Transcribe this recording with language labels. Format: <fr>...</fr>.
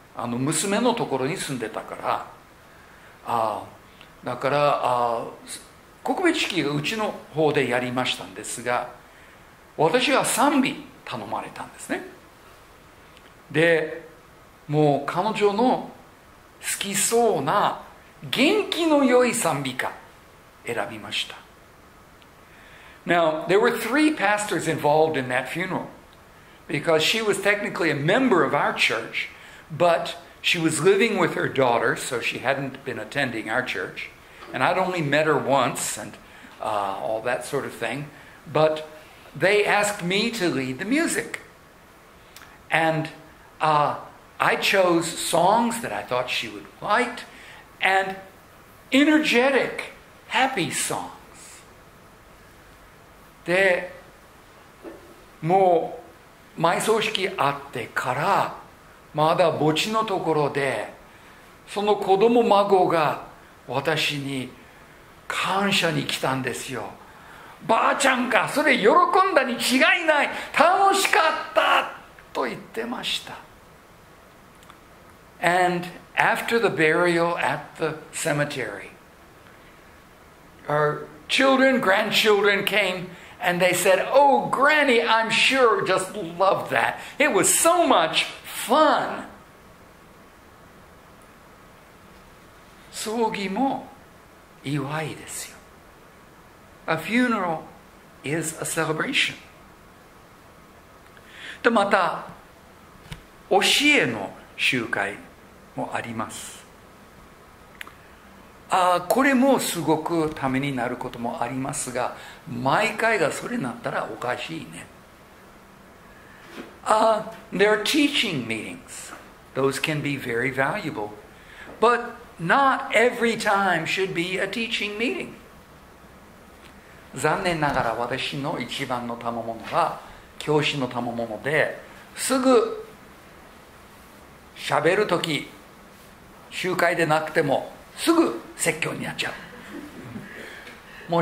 <ja>あの娘のところに住んでたから、だから告別式がうちの方でやりましたんですが、私が賛美頼まれたんですね。でもう彼女の好きそうな元気の良い賛美歌選びました。</ja> <en>Now there were three pastors involved in that funeral because she was technically a member of our church but she was living with her daughter so she hadn't been attending our churchAnd I'd only met her once and all that sort of thing. But they asked me to lead the music. And I chose songs that I thought she would like and energetic, happy songs.</en> <ja>で、もう埋葬式あってから、まだ墓地のところで、その子供孫が私に感謝に来たんですよ。ばあちゃんか、それ喜んだに違いない、楽しかったと言ってました。</ja> <en>And after the burial at the cemetery, our children, grandchildren came and they said, Oh, Granny, I'm sure just loved that. It was so much fun.</en> <ja>葬儀も祝いですよ。</ja> <en>A funeral is a celebration.</en> <ja>で、また、教えの集会もあります。これもすごくためになることもありますが、毎回がそれになったらおかしいね。</ja> <en>There are teaching meetings. Those can be very valuable. But,Not every time should be a teaching meeting.</en> <ja>残念ながら私の一番の賜物は教師の賜物で、すぐ喋るとき集会でなくてもすぐ説教になっちゃう。</ja>